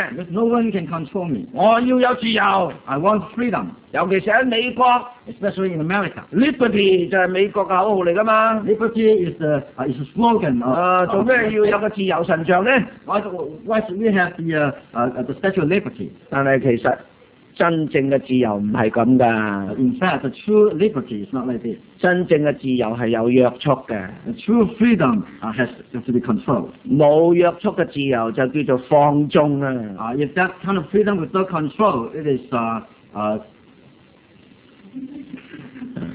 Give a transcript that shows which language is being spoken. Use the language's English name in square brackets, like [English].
[English] ，because no one can control me。 [Cantonese] 我要有自由 [English] ，I want freedom。 [Cantonese] 尤其是喺美國 [English] ，especially in America。 [Cantonese] Liberty 就係美國嘅口號嚟㗎嘛。 [English] Liberty is the slogan。 [Cantonese] 做咩要有個自由神像呢 [English] ？Why should we have the Statue of Liberty？ [Cantonese] 但係其實真正嘅自由唔係咁㗎。 [English] In fact, the true liberty is not like this。 [Cantonese] 真正嘅自由係有約束嘅。 [English] The true freedom has to be controlled。 [Cantonese] 冇約束嘅自由就叫做放縱啦。 [English] If that kind of freedom without control, it is